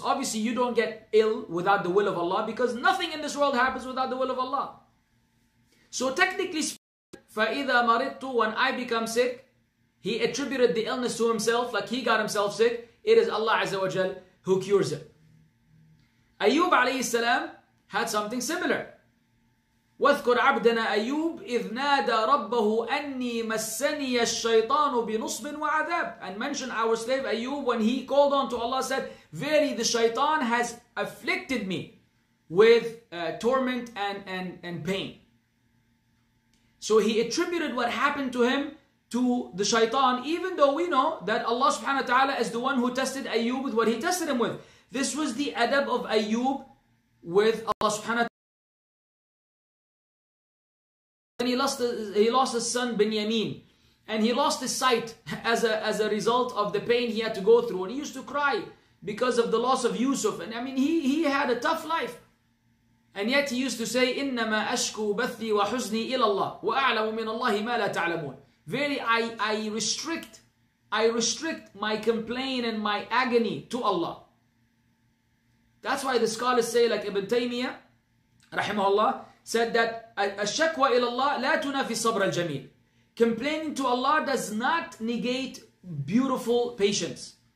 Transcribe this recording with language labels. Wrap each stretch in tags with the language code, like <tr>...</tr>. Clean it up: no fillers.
<en>Obviously, you don't get ill without the will of Allah, because nothing in this world happens without the will of Allah. So technically speaking,</en> <ar>فَإِذَا مَرِضْتُ,</ar> <en>when I become sick, he attributed the illness to himself, like he got himself sick. It is Allah Azza wa Jal who cures him. Ayyub alayhi salam had something similar.</en> <ar>واذكر عبدنا أيوب إذ نادى ربه أني مسني الشيطان بنصب وعذاب.</ar> <en>And mention our slave Ayub when he called on to Allah, said, verily the shaitan has afflicted me with torment and pain. So he attributed what happened to him to the shaitan, even though we know that Allah subhanahu wa ta'ala is the one who tested Ayub with what he tested him with. This was the adab of Ayub with Allah subhanahu wa ta'ala. Then he lost his son Binyamin, and he lost his sight as a result of the pain he had to go through. And he used to cry because of the loss of Yusuf. And I mean, he had a tough life. And yet he used to say,</en> <ar>إِنَّمَا أَشْكُوا بَثِّي وَحُزْنِي إِلَى اللَّهِ وَأَعْلَمُ مِنَ اللَّهِ مَا لَا تَعْلَمُونَ.</ar> <en>Very, I restrict my complaint and my agony to Allah. That's why the scholars say, like Ibn Taymiyyah, rahimahullah, said that</en> <ar>الشَّكْوَى إِلَى اللَّهِ لَا تُنَافِي صَبْرَ الْجَمِيلِ.</ar> <en>Complaining to Allah does not negate beautiful patience.</en>